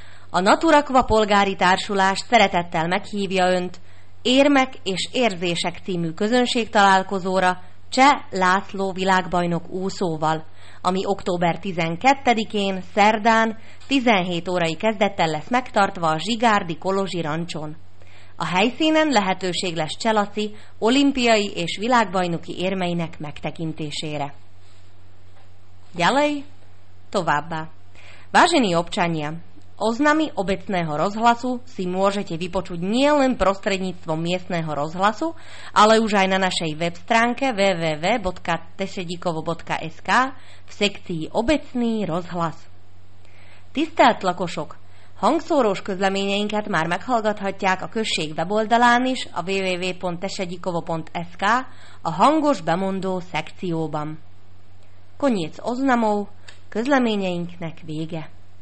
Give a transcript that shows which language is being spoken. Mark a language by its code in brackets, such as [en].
[hu] A Naturakva Polgári Társulás szeretettel meghívja Önt Érmek és Érzések című közönségtalálkozóra Cseh László világbajnok úszóval, ami október 12-én, szerdán, 17 órai kezdettel lesz megtartva a Zsigárdi Kolozsi Rancson. A helyszínen lehetőség lesz Cseh Laci olimpiai és világbajnoki érmeinek megtekintésére. [sk] Ďalej, [hu] továbbá. [sk] Vážení občania, oznami obecného rozhlasu si môžete vypočuť nielen prostredníctvom miestného rozhlasu, ale už aj na našej web stránke www.tešedikovo.sk v sekcii Obecný rozhlas. [hu] Tisztelt lakosok! Hangszórós közleményeinket már meghallgathatják a község weboldalán is a www.tešedikovo.sk a hangos bemondó szekcióban. [sk] Koniec oznamov, [hu] közleményeinknek vége!